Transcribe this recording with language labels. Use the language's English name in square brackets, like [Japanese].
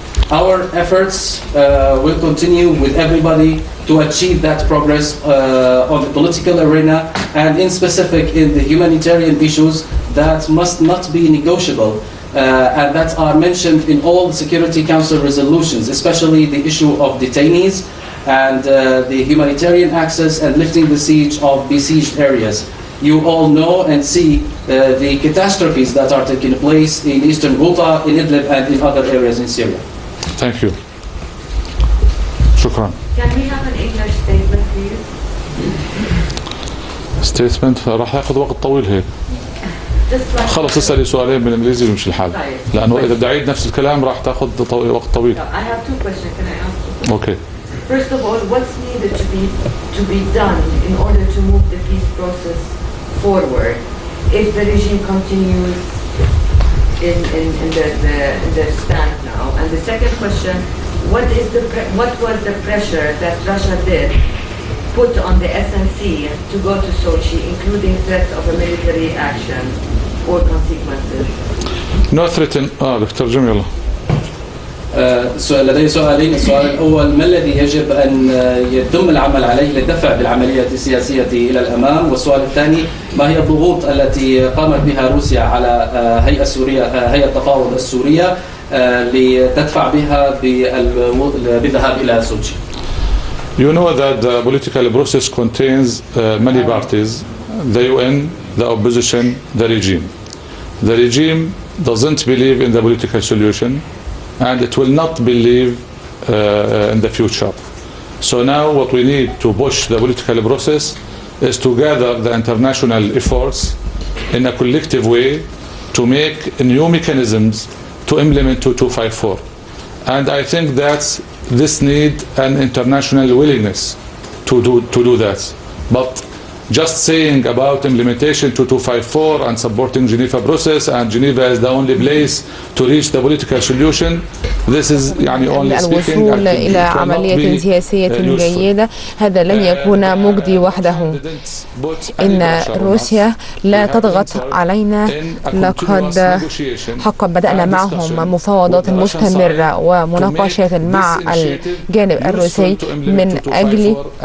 [English] Our efforts will continue with everybody to achieve that progress on the political arena, and in specific in the humanitarian issues that must not be negotiable and that are mentioned in all Security Council resolutions, especially the issue of detainees and the humanitarian access and lifting the siege of besieged areas. You all know and see the catastrophes that are taking place in Eastern Ghouta, in Idlib, and in other areas in Syria. Thank you. Shukran. Can we have an English statement, please? [Arabic] Statement. راح ياخذ وقت طويل هيك. خلص اسألي سؤالين بالإنجليزي ومشي الحال. لأنه إذا بدي أعيد نفس الكلام راح تأخذ وقت طويل. [English] I have two questions. Can I ask? Okay. First of all, what's needed to be done in order to move the peace process forward if the regime continues in the stand now? And the second question, what was the pressure that Russia did put on the SNC to go to Sochi, including threats of a military action or consequences? No threat in Dr. Jamila. [Arabic] سؤال لدي سؤالين. السؤال الأول، ما الذي يجب أن يتم العمل عليه للدفع بالعملية السياسية إلى الأمام؟ والسؤال الثاني، ما هي الضغوط التي قامت بها روسيا على هيئة سورية، هيئة التفاوض السورية لتدفع بها بالذهاب إلى سوتشي؟ [English] You know that the political process contains many parties: the UN, the opposition, the regime. The regime doesn't believe in the political solution. And it will not believe in the future. So now what we need to push the political process is to gather the international efforts in a collective way to make new mechanisms to implement 254. And I think that this needs an international willingness to do that. But just saying about implementation 254 and supporting Geneva process and Geneva is the only place to reach the political solution, this is يعني only speaking [Arabic] الوصول إلى عملية سياسية جيدة هذا لن يكون مجدي وحده. إن روسيا لا تضغط علينا، لقد حقا بدأنا معهم مفاوضات مستمرة ومناقشات مع الجانب الروسي من أجل